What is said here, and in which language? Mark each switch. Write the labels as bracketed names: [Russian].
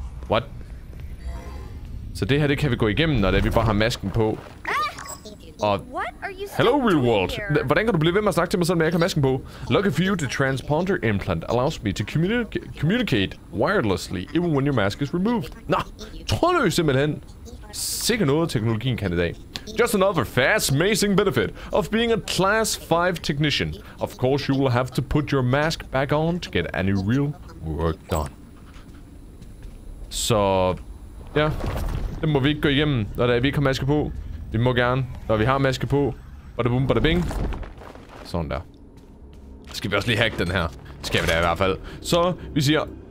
[English] What? [Danish] Så det her, det kan vi gå igennem, når det er, vi bare har masken på. Og... [English] Hello, real world! [Danish] Hvordan kan du blive ved med at snakke til mig, selvom jeg ikke har masken på? [English] Lucky for you, the transponder implant allows me to communicate wirelessly, even when your mask is removed. [Danish] Nå! Trådløs, simpelthen! Sikke noget, teknologien kan i dag. [English] Just another fast, amazing benefit of being a class 5 technician. Of course, you will have to put your mask back on to get any real work done. [Danish] Så, ja, det må vi ikke gå igennem, når der er, vi ikke har maske på. Vi må gerne, når vi har maske på. Bada bum, bada bing. Sådan der. Skal vi også lige hack den her? Skal vi da i hvert fald. Så, vi siger...